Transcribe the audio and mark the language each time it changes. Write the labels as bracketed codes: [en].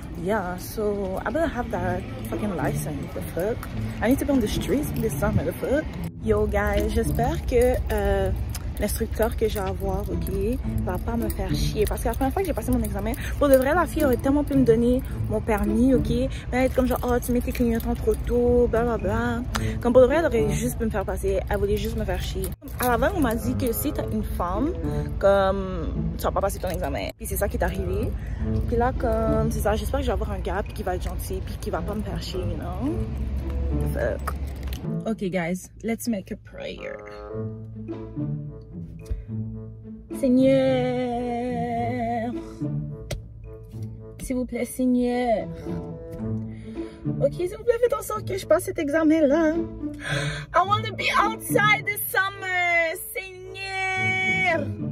[en] Yeah, so I better have that fucking license, the fuck. I need to be on the streets this summer, the fuck. Yo, guys, [fr] j'espère que l'instructeur que j'ai à avoir, ok, va pas me faire chier. Parce que la première fois que j'ai passé mon examen, pour de vrai, la fille aurait tellement pu me donner mon permis, ok. Mais être comme genre, oh, tu mets tes clignotants trop tôt, blablabla. Comme pour de vrai, elle aurait juste pu me faire passer. Elle voulait juste me faire chier. À la fin, on m'a dit que si t'as une femme, comme, tu vas pas passer ton examen. Puis c'est ça qui est arrivé. Puis là, comme, c'est ça, j'espère que je vais avoir un gars, puis qu'il va être gentil, puis qu'il va pas me faire chier, [en] you know. Fuck. Ok, guys, let's make a prayer. [fr] Seigneur, s'il vous plaît, Seigneur, ok, s'il vous plaît, faites en sorte que je passe cet examen-là. [en] I want to be outside this summer, Seigneur.